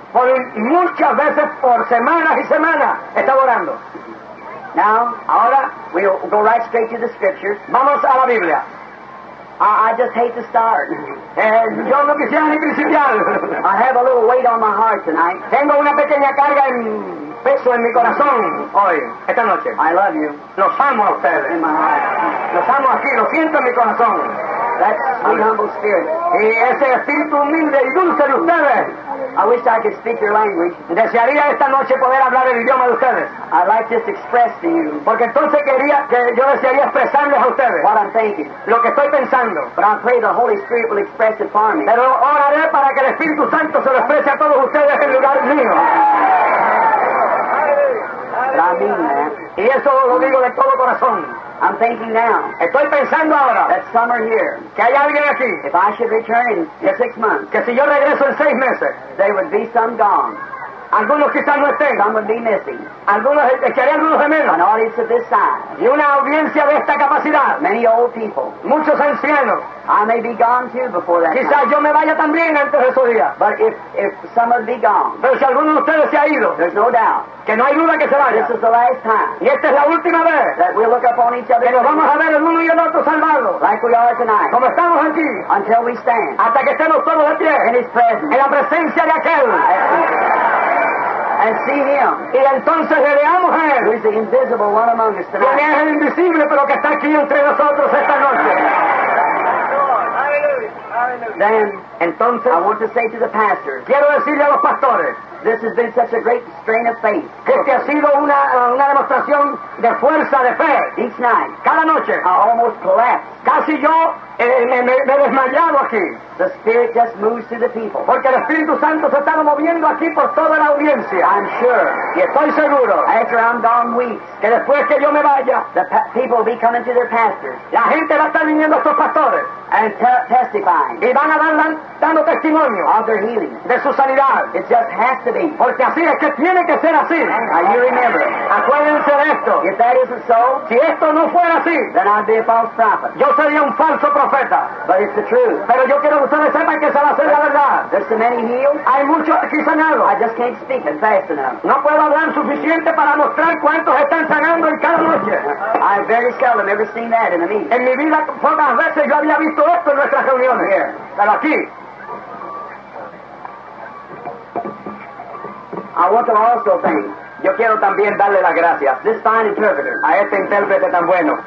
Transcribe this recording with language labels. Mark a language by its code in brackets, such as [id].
[es] Por muchas veces por semanas y semanas estaba orando. [en] Now, [es] ahora, [en] we'll go right straight to the scriptures. [es] Vamos a la Biblia. [en] I just hate to start. [es] Yo no quisiera ni principiar. [en] I have a little weight on my heart tonight. [es] Tengo una pequeña carga en peso en mi corazón hoy, esta noche. [en] I love you. [es] Los amo a ustedes. [en] In my heart. [es] Los amo aquí, los siento en mi corazón. [en] That's my humble spirit. [es] Y ese espíritu humilde y dulce de ustedes. [en] I wish I could speak your language. [es] Desearía esta noche poder hablar el idioma de ustedes. [en] I'd like to express to you. [es] Porque entonces quería que yo desearía expresarles a ustedes. [en] What I'm thinking. [es] Lo que estoy pensando. [en] But I pray the Holy Spirit will express it for me. [es] Pero oraré para que el Espíritu Santo se lo exprese a todos ustedes en lugar mío. [en] I mean that. [es] Y eso lo digo de todo corazón. [en] I'm thinking now. [es] Estoy pensando ahora. [en] That summer here. [es] Que hay alguien aquí. [en] If I should return in 6 months. [es] Que si yo regreso en 6 meses. [en] There would be some gone. [es] Algunos quizás no estén. [en] Some would be missing. [es] Algunos echarían unos gemelos. [en] An audience of this size. [es] Y una audiencia de esta capacidad. [en] Many old people. [es] Muchos ancianos. [en] I may be gone too before that. [es] Quizás [en] night. [es] Yo me vaya también antes de esos días. [en] But if some would be gone. [es] Pero si alguno de ustedes se ha ido. [en] There's no doubt. [es] Que no hay duda que se vaya. [en] This is the last time. [es] Y esta es la última vez. [en] That we'll look upon each other. [es] Que nos vamos a ver el uno y el otro salvados. [en] Like we are tonight. [es] Como estamos aquí. [en] Until we stand. [es] Hasta que estemos todos de pie. [en] In his presence. [es] En la presencia de aquel. [en] And see him. [es] Y entonces le veamos a él. [en] Who is the invisible one among us tonight. [es] Que es el invisible pero que está aquí entre nosotros esta noche. [en] Then, entonces, I want to say to the pastors. [es] Quiero decirle a los pastores. [en] This has been such a great strain of faith. [es] Este ha sido una demostración de fuerza, de fe. [en] Each night. [es] Cada noche. [en] I almost collapsed. [es] Casi yo me he desmayado aquí. [en] The Spirit just moves to the people. [es] Porque el Espíritu Santo se estaba moviendo aquí por toda la audiencia. [en] I'm sure. [es] Y estoy seguro. [en] After I'm gone weeks. [es] Que después que yo me vaya. [en] The people will be coming to their pastors. [es] La gente va a estar viniendo a sus pastores. [en] And testifying. [es] Y van a dando testimonio. [en] Of their healing. [es] De su sanidad. [en] It just has to be. [es] Porque así es que tiene que ser así. [en] Now you remember. [es] Acuérdense de esto. [en] If that isn't so. [es] Si esto no fuera así. [en] Then I'd be a false prophet. [es] Yo sería un falso profeta. [en] But it's the truth. [es] Pero yo quiero que ustedes sepan que esa va a ser la verdad. [en] There's so many healed. [es] Hay muchos aquí sanados. [en] I just can't speak and fast enough. [es] No puedo hablar suficiente para mostrar cuántos están sanando en cada noche. [en] I very seldom ever seen that in a meeting. [es] En mi vida pocas veces yo había visto esto en nuestras reuniones. [en] Here. [es] Pero aquí. [en] I want to also thank. [es] Yo quiero también darle las gracias. [en] This fine interpreter. [es] A este intérprete tan bueno.